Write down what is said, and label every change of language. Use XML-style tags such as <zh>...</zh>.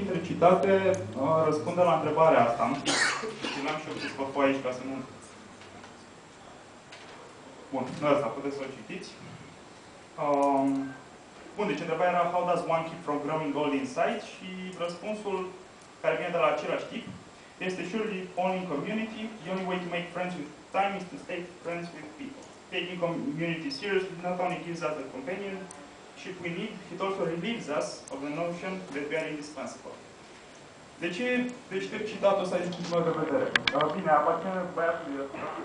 <ro>publicitate răspunde la întrebarea asta. Și n-am și eu pus păpul aici ca să nu... Bun, ăsta, puteți să o citiți. Bun, deci întrebarea era</ro> <en>how does one keep from growing old inside?</en> <ro>Și răspunsul care vine de la același tip este</ro> <en>surely only in community, the only way to make friends with time is to stay friends with people. Taking community seriously not only gives us the companionship we need, it also relieves us of the notion that we are indispensable.</en> <ro>De ce deștept citatul ăsta din punctul meu de vedere? Dar bine, aparține băiatului ăsta.</ro>